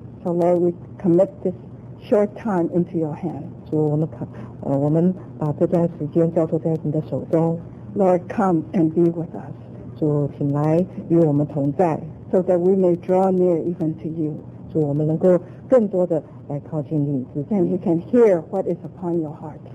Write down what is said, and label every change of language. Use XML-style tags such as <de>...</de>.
<en>So Lord, we commit this short time into your hand.</en> <zh>主，我们把这段时间交托在你的手中。</zh> <en>Lord, come and be with us.</en> <zh>主，请来与我们同在。</zh> <en>So that we may draw near even to you.</en> <zh>主，我们能够更多的来靠近你自己。</zh> <en>And we can hear what is upon your heart.</en>